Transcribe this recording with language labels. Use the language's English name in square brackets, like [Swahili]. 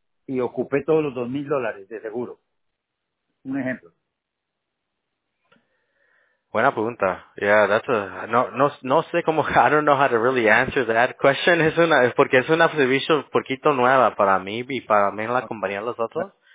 [Spanish] y ocupé todos los $2,000 de seguro? Un ejemplo. Buena pregunta. [English] Yeah, [Spanish] no sé cómo, [English] I don't know how to really answer that question. [Spanish] Es una servicio un poquito nueva para mí y para mí en la compañía de los otros.